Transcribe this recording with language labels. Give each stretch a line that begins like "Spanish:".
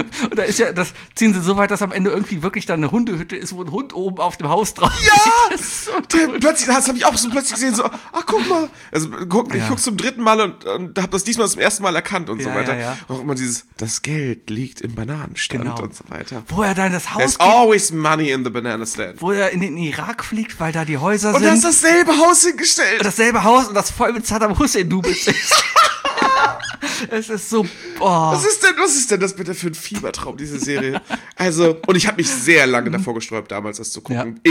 German: Und da ist ja, das ziehen sie so weit, dass am Ende irgendwie wirklich da eine Hundehütte ist, wo ein Hund oben auf dem Haus drauf ja! ist. Ja! So plötzlich, das habe ich auch so plötzlich gesehen, so, ach guck mal. Also ich guck zum dritten Mal und hab das diesmal zum ersten Mal erkannt und so weiter. Ja, ja. Auch immer dieses, das Geld liegt im Bananenstand und so weiter. Wo er dann das Haus.
English: There's always money in the banana stand.
German: Wo er in den Irak fliegt, weil da die Häuser und sind. Und da ist dasselbe Haus hingestellt. Und dasselbe Haus und das voll mit Saddam Hussein-Dubels ist. Es ist so, boah. Was ist denn das bitte für ein Fiebertraum, diese Serie? Also, und ich habe mich sehr lange davor gesträubt, damals das zu gucken. Ja.